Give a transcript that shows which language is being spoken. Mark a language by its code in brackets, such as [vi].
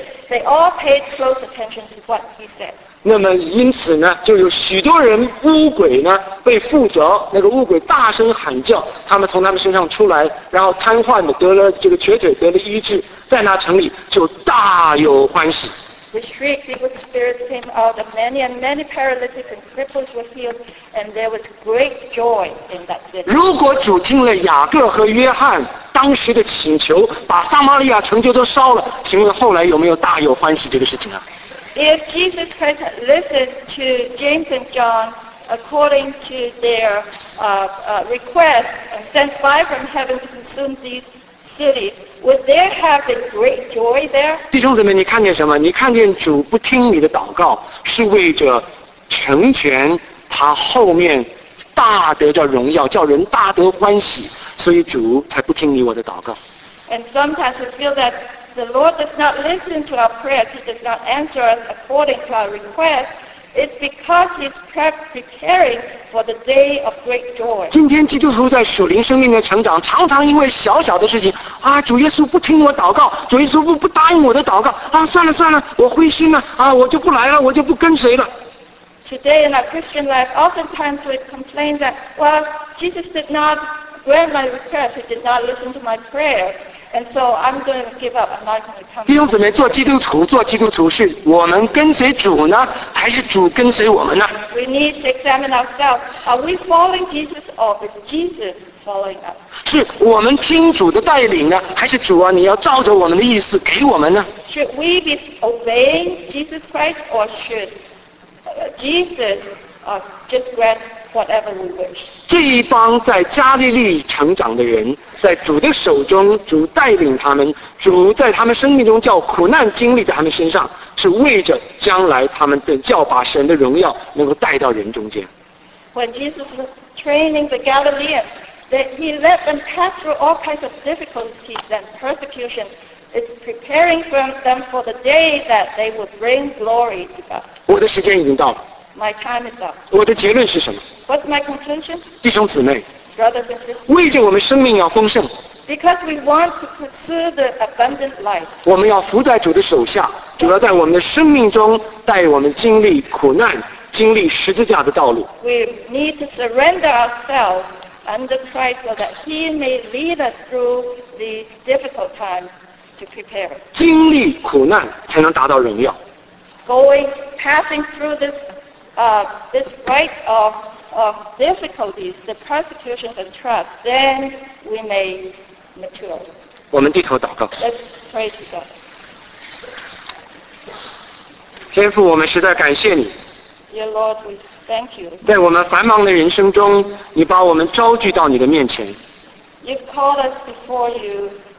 [en] They all paid close attention to what he said. [zh] 那么因此呢，就有许多人巫鬼呢被附着，那个巫鬼大声喊叫，他们从他们身上出来，然后瘫痪的得了这个瘸腿得了医治，在那城里就大有欢喜。 [en] with shrieks, evil spirits came out of many, and many paralytics and cripples were healed, and there was great joy in that city. [zh] 如果主听了雅各和约翰当时的请求，把撒玛利亚城就都烧了，请问后来有没有大有欢喜这个事情啊？ [en] If Jesus Christ had listened to James and John according to their request and sent fire from heaven to consume these cities, would there have been great joy there? [zh] 弟兄姊妹，你看见什么？你看见主不听你的祷告，是为着成全他后面大得的荣耀，叫人大得欢喜，所以主才不听你我的祷告。 [en] And sometimes we feel that the Lord does not listen to our prayers, He does not answer us according to our request. It's because He's preparing for the day of great joy. [zh] 今天基督徒在属灵生命的成长，常常因为小小的事情啊，主耶稣不听我祷告，主耶稣不答应我的祷告啊，算了算了，我灰心了啊，我就不来了，我就不跟随了。 [en] Today in our Christian life, oftentimes we complain that, well, Jesus did not grant my request, He did not listen to my prayer, and so I'm going to give up, I'm not going to come. [zh] 弟兄姊妹，做基督徒，做基督徒是我们跟随主呢，还是主跟随我们呢？ [en] We need to examine ourselves. Are we following Jesus or is Jesus following us? [zh] 是我们听主的带领呢，还是主啊，你要照着我们的意思给我们呢？ [en] Should we be obeying Jesus Christ or should Jesus just grant whatever we wish. [zh] 这一帮在加利利成长的人，在主的手中，主带领他们，主在他们生命中叫苦难经历在他们身上，是为着将来他们的叫把神的荣耀能够带到人中间。 [en] When Jesus was training the Galileans, that He let them pass through all kinds of difficulties and persecution. It's preparing them for the day that they will bring glory to God. [zh] 我的时间已经到了。 [en] My time is up. [zh] 我的结论是什么？ [en] What's my conclusion? [zh] 弟兄姊妹， [en] Brothers and sisters, [zh] 为着我们生命要丰盛。 [en] Because we want to pursue the abundant life. [zh] 我们要伏在主的手下，主要在我们的生命中带我们经历苦难，经历十字架的道路。 [en] We need to surrender ourselves under Christ so that He may lead us through these difficult times. [zh] 经历苦难才能达到荣耀。 [en] Going, passing through this rite of difficulties, the persecutions and trials, then we may mature. [zh] 我们低头祷告。 [en] Let's pray to God. [zh] 天父，我们实在感谢你。 [en] Dear Lord, we thank you. [zh] 在我们繁忙的人生中，你把我们召聚到你的面前。 [en] You've called us before you.